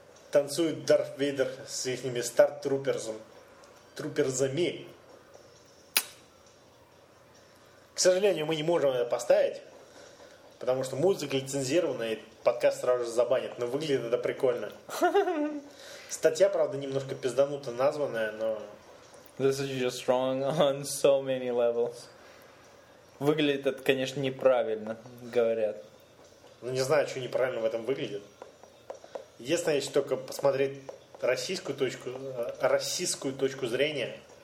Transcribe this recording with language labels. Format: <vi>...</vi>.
<ru>Танцует Дарт Вейдер с их старт-труперзами. К сожалению, мы не можем это поставить, потому что музыка лицензирована, и подкаст сразу же забанит, но выглядит это прикольно. Статья, правда, немножко пизданута названная, но...</ru> <en>This is just wrong on so many levels.</en> <ru>Выглядит это, конечно, неправильно, говорят. Ну, не знаю, что неправильно в этом выглядит. Единственное, если только посмотреть российскую точку зрения...</ru>